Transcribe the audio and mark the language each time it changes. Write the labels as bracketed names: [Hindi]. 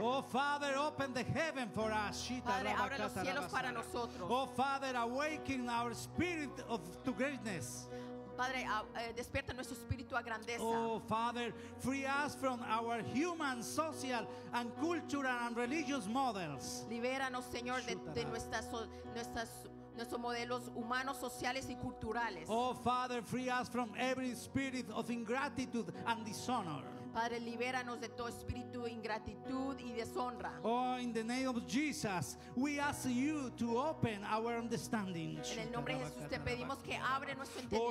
[English] Oh Father, open the heaven for us. [Spanish] Padre, abre los cielos para nosotros. [English] Oh Father, awaken our spirit of to greatness. [Spanish] Padre, despierta nuestro espíritu a grandeza. [English] Oh Father, free us from our human, social, and cultural and religious models. [Spanish] Libéranos, Señor, de nuestras nuestros modelos humanos, sociales y culturales. [English] Oh Father, free us from every spirit of ingratitude and dishonor. [Spanish] Padre, libéranos de todo espíritu de ingratitud y deshonra. [English] Oh, in the name of Jesus, we ask you to open our understanding. [Spanish] En el nombre de Jesús te pedimos que abre nuestro entendimiento.